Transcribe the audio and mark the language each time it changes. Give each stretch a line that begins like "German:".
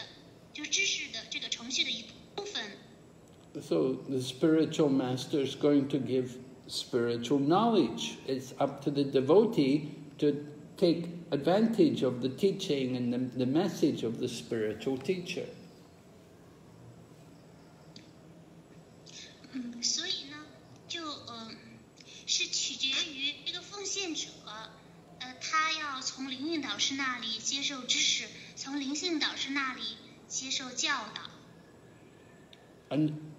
Chinese: 也要接受一位灵guru，灵领导师，这也是这个方程序的，就知识的这个程序的一部分。
English: So the spiritual master is going to give spiritual knowledge. It's up to the devotee to take advantage of the teaching and the message of the spiritual teacher.
Chinese: 所以呢，就是取决于这个奉献者，他要从灵性导师那里接受知识，从灵性导师那里接受教导。And